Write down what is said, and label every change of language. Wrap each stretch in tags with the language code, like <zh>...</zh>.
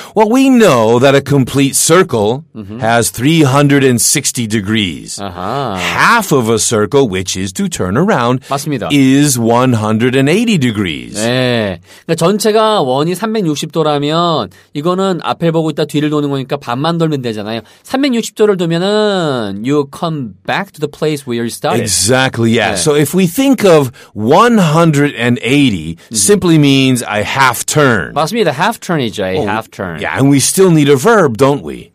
<en>Well, we know that a complete circle has 360 degrees. Uh-huh. Half of a circle, which is to turn around,</en> <ko>맞습니다.</ko> <en>is 180 degrees.</en> <ko>네. 그러니까 전체가 원이 360도라면 이거는 앞을 보고 있다 뒤를 도는 거니까 반만 돌면 되잖아요. 360도를 돌면은</ko> <en>you come back to the place where you started. Exactly, yeah. 네. So if we think of 180, simply means I half turn.</en> <ko>맞습니다. Half turn이죠.</ko> <en>Oh, half turn. Yeah, and we still need a verb, don't we?</en>